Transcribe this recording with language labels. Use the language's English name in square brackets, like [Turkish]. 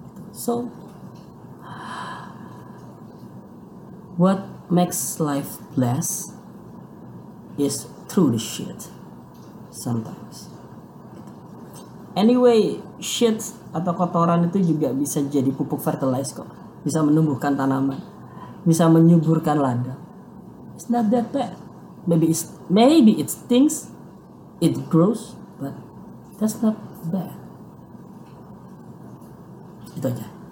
[English] So, what makes life blessed is through the shit sometimes. [Indonesian] Anyway, shit atau kotoran itu juga bisa jadi pupuk fertilizer kok. Bisa menumbuhkan tanaman, bisa menyuburkan ladang. [English] It's not that bad. Maybe it stinks, it grows, but that's not bad. [Indonesian] Itu aja.